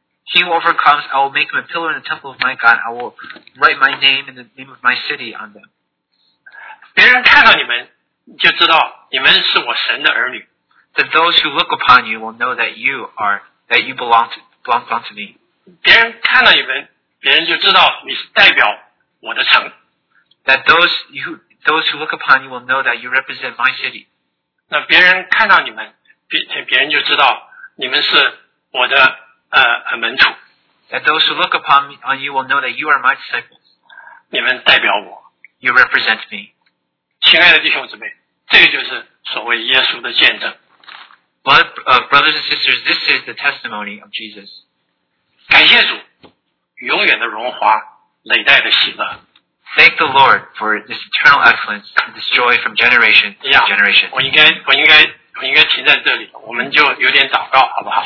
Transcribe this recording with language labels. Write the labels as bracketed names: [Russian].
[English] He who overcomes, I will make him a pillar in the temple of my God. I will write my name and the name of my city on them. [Chinese] 别人看到你们就知道你们是我神的儿女。 [English] That those who look upon you will know that you belong to me. [Chinese] 别人看到你们，别人就知道你是代表我的城。 [English] That those who look upon you will know that you represent my city. [Chinese] 那别人看到你们，别人就知道你们是我的门徒。 [English] That those who look upon you will know that you are my disciples. [Chinese] 你们代表我。 [English] You represent me. [Chinese] 亲爱的弟兄姊妹，这个就是所谓耶稣的见证。 [English] But brothers and sisters, this is the testimony of Jesus. [Chinese] 感谢主，永远的荣华，累代的喜乐。 [English] Thank the Lord for this eternal excellence, this joy from generation to generation. [Chinese] 我应该停在这里，我们就有点祷告，好不好？